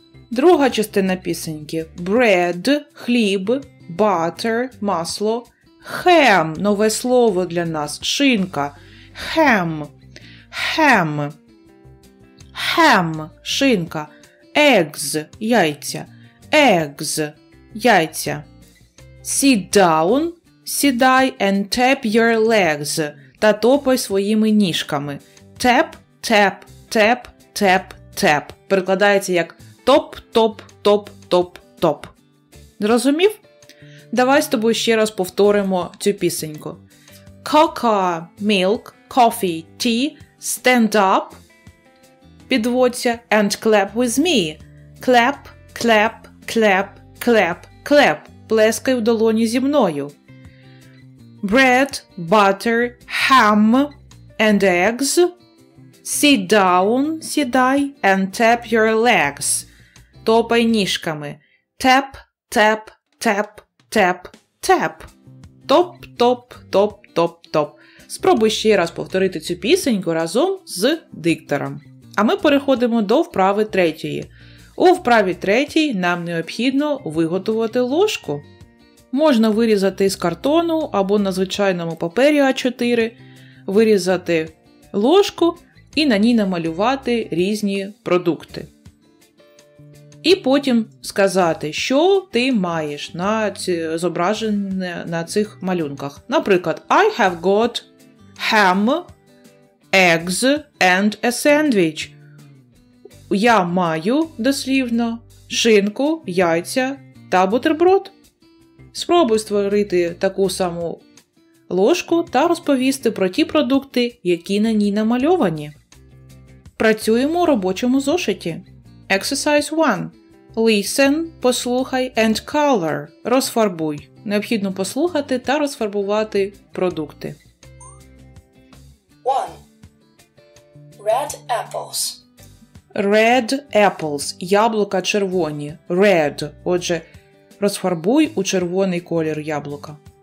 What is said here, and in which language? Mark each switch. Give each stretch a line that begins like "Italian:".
Ukrainian: Друга частина пісеньки. Bread – хліб, butter – масло, ham – нове слово для нас, шинка.
English: Ham – ham – ham – шинка.
Ukrainian: Eggs – яйця. Eggs – яйця.
English: Sit down –
Ukrainian: сідай
English: and tap your legs –
Ukrainian: та топай своїми ніжками.
English: Tap, tap, tap, tap, tap
Ukrainian: – перекладається як топ, топ, топ, топ, топ. Зрозумів? Давай з тобою ще раз повторимо цю пісеньку.
English: Cocoa, milk, coffee, tea, stand up,
Ukrainian: підводься,
English: and clap with me. Clap, clap, clap, clap, clap,
Ukrainian: плескай в долоні зі мною.
English: Bread, butter, ham and eggs. Sit down,
Ukrainian: сідай,
English: and tap your legs.
Ukrainian: Топай ніжками.
English: Tap, tap, tap, tap, tap.
Ukrainian: Топ, топ, топ, топ, топ. Спробуй ще раз повторити цю пісеньку разом з диктором. А ми переходимо до вправи третьої. У вправі третій нам необхідно виготовити ложку. Можна вирізати з картону або на звичайному папері А4, вирізати ложку і на ній намалювати різні продукти. І потім сказати, що ти маєш на зображення на цих малюнках.
English: Наприклад, I have got ham, eggs and a sandwich.
Ukrainian: Я маю, дослівно, шинку, яйця та бутерброд. Спробуй створити таку саму ложку та розповісти про ті продукти, які на ній намальовані. Працюємо у робочому зошиті.
English: Exercise 1. Listen,
Ukrainian: послухай,
English: and color.
Ukrainian: Розфарбуй. Необхідно послухати та розфарбувати продукти.
English: 1. Red apples. Red apples.
Ukrainian: Яблука червоні.
English: Red.
Ukrainian: Отже, розфарбуй у червоний колір яблука.